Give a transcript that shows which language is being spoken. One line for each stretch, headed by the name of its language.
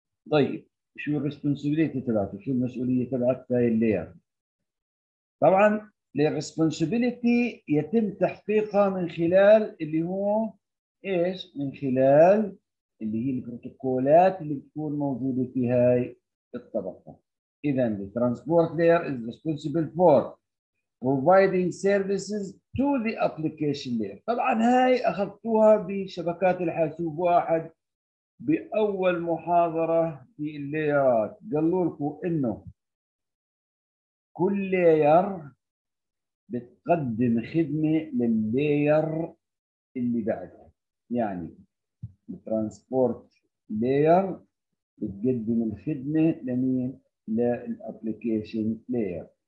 Arabic: طيب شو الريسبونسابيلتي تبعته؟ شو المسؤولية تبعت هاي اللير؟ طبعا الريسبونسابيلتي يتم تحقيقها من خلال اللي هو ايش؟ من خلال اللي هي البروتوكولات اللي بتكون موجودة في هاي الطبقة.
English: إذا the transport layer is responsible for providing services to the application layer.
Arabic: طبعا هاي أخذتوها بشبكات الحاسوب واحد بأول محاضرة في الليرات، قالوا لكم إنه كل layer بتقدم خدمة للليير اللي بعدها، يعني الترانسبورت لاير بتقدم الخدمة لمين؟ للابلكيشن لاير،